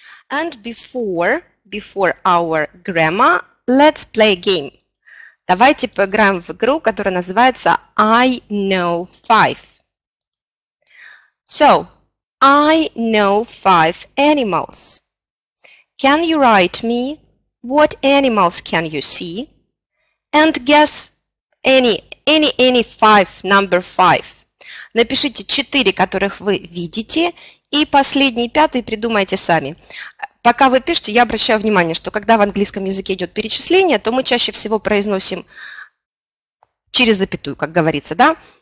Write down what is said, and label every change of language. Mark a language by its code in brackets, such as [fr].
[en] And before our grammar, let's play a game. [ru] Давайте поиграем в игру, которая называется [en] I know five. So, I know five animals. Can you write me what animals can you see? And guess any five, number five. [ru] Напишите четыре, которых вы видите, и последний, пятый, придумайте сами. Пока вы пишете, я обращаю внимание, что когда в английском языке идет перечисление, то мы чаще всего произносим через запятую, как говорится, да?